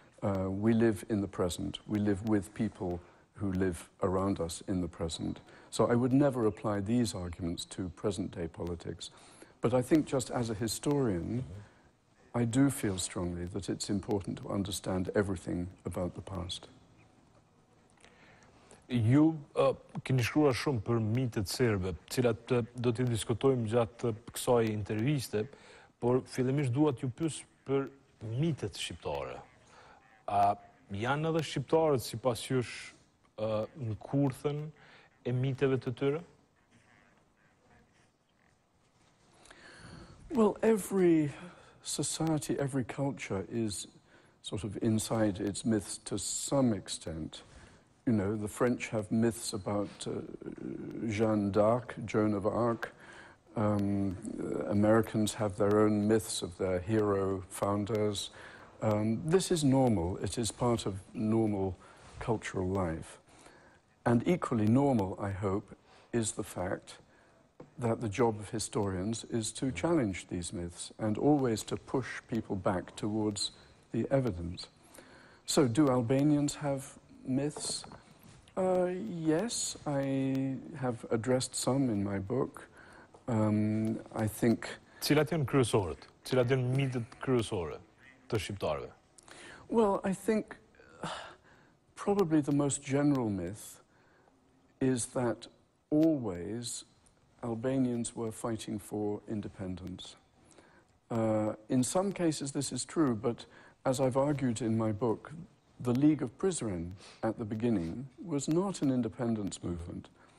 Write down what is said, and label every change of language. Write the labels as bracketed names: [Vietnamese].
[English] We live in the present. We live with people who live around us in the present. So I would never apply these arguments to present-day politics. But I think just as a historian, I do feel strongly that it's important to understand everything about the past. [Albanian] Ju keni shkruar shumë për mitet serbe, cilat do t'i diskutojmë gjatë kësaj interviste, por fillimisht dua t'ju pyes për mitet shqiptare. A janë edhe shqiptarët sipas jush në kurthën e miteve të tyre? [English] Well, every society, every culture is sort of inside its myths to some extent. You know, the French have myths about Jeanne d'Arc, Joan of Arc. Americans have their own myths of their hero founders. This is normal. It is part of normal cultural life. And equally normal, I hope, is the fact that the job of historians is to challenge these myths and always to push people back towards the evidence. So do Albanians have myths? Yes, I have addressed some in my book. I think [Albanian] Cilat janë kryesorët? Cilat janë mitet kryesore të shqiptarëve? [English] Well, I think probably the most general myth is that always Albanians were fighting for independence. In some cases this is true, but as I've argued in my book, the League of Prizren at the beginning was not an independence movement.